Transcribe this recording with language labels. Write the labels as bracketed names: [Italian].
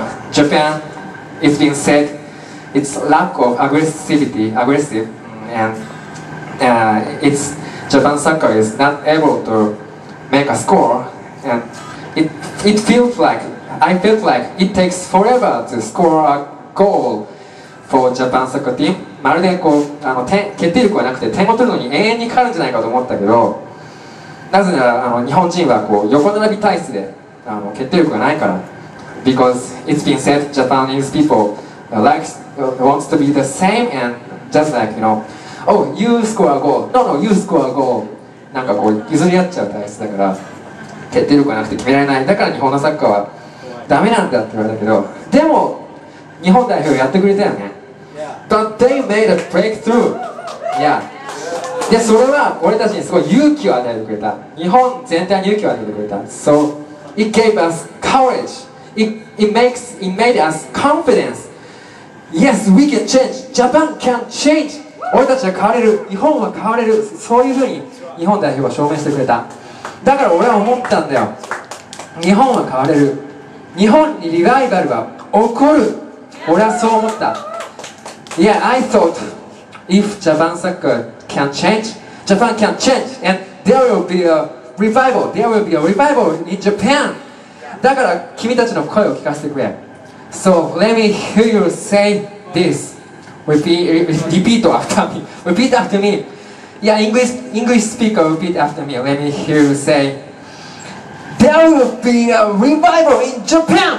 [English] Japan, it's been said, its lack of aggressivity, aggressive, and it's Japan soccer is not able to make a score, and I felt like it takes forever to score a goal for Japan soccer team. [Japanese] まるでこう決定力はなくて点を取るのに永遠にかかるんじゃないかと思ったけど。なぜなら日本人はこう横並び体質で決定力がないから。 [English] Because it's been said Japanese people likes, wants to be the same and just like, you know, oh, you score a goal. No, no, you score a goal. [Japanese] なんかこう譲り合っちゃう体質だから決定力がなくて決められない。だから日本のサッカーはダメなんだって言われたけど。でも日本代表やってくれたよね。 [English] But they made a breakthrough. Yeah. [Japanese] で、それは俺たちにすごい勇気を与えてくれた。日本全体に勇気を与えてくれた。 [English] So, it gave us courage. It made us confidence. Yes, we can change. Japan can change. [Japanese] 俺たちは変われる。日本は変われる。そういうふうに日本代表は証明してくれた。だから俺は思ったんだよ。日本は変われる。日本にリバイバルは起こる。俺はそう思った。 [English] Yeah, I thought, if Japan soccerCan change. Japan can change, and there will be a revival. There will be a revival in Japan. [Japanese] だから君たちの声を聞かせてくれ。 [English] So let me hear you say this. Repeat after me. Yeah, English speaker, repeat after me. Let me hear you say. There will be a revival in Japan.